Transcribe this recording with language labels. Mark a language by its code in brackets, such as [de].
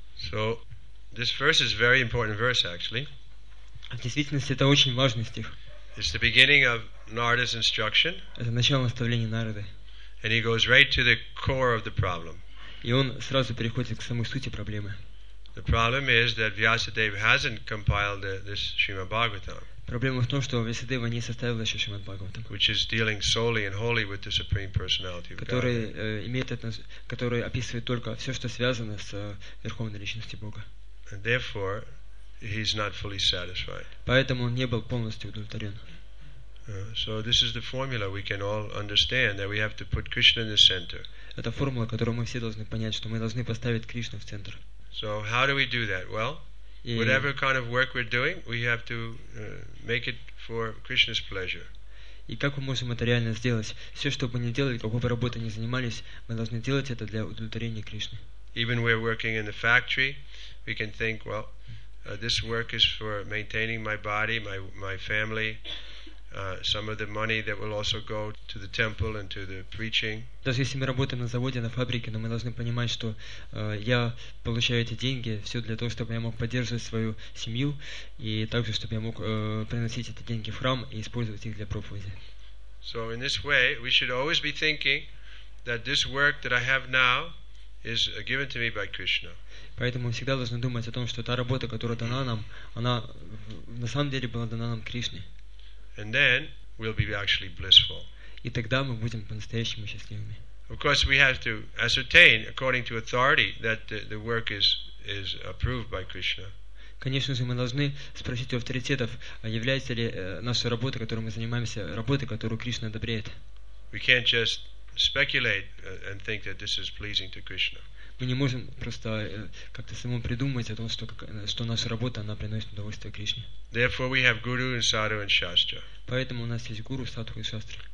[en] So, this verse is a very important verse, actually. [ru] В действительности, это очень важный стих. [en] It's the beginning of Narada's instruction. [ru] Это начало наставления Нарады. [en] And he goes right to the core of the problem. [ru] И он сразу переходит к самой сути проблемы. [en] The problem is that Vyasadeva hasn't compiled this Srimad Bhagavatam. [ru] Проблема в том, что Вьясадева не составил еще Шримад Бхагаватам. [en] Which is dealing solely and wholly with the Supreme Personality of God. [ru] Который описывает только все, что связано с Верховной Личностью Бога. [en] And therefore, he's not fully satisfied. [ru] Поэтому он не был полностью удовлетворен. [en] So this is the formula we can all understand that we have to put Krishna in the center. [ru] Это формула, которую мы все должны понять, что мы должны поставить Кришну в центр. [en] So how do we do that? Well, whatever kind of work we're doing, we have to make it for Krishna's pleasure. [ru] И как мы можем это реально сделать? Все, что бы мы ни делали, какой бы работой ни занимались, мы должны делать это для удовлетворения Кришны. [en] Even we're working in the factory, we can think, well, this work is for maintaining my body, my family. Some of the money that will also go to the temple and to the preaching. [ru] Даже если мы работаем на заводе, на фабрике, но мы должны понимать, что я получаю эти деньги все для того, чтобы я мог поддерживать свою семью и также, чтобы я мог приносить эти деньги в храм и использовать их для проповеди. [en] So in this way, we should always be thinking that this work that I have now is given to me by Krishna. [ru] Поэтому мы всегда должны думать о том, что та работа, которая дана нам, она на самом деле была дана нам Кришне. [en] And then we'll be actually blissful. [ru] И тогда мы будем по-настоящему счастливыми. [en] Of course, we have to ascertain, according to authority, that the work is approved by Krishna. [ru] Конечно же, мы должны спросить у авторитетов, является ли наша работа, которой мы занимаемся, работа, которую Кришна одобряет. [en] We can't just speculate and think that this is pleasing to Krishna. [ru] Мы не можем просто как-то самому придумать о том, что наша работа, она приносит удовольствие Кришне. [en] Therefore, we have guru and sadhu and shastra. [ru] Поэтому у нас есть гуру, садху и шастра.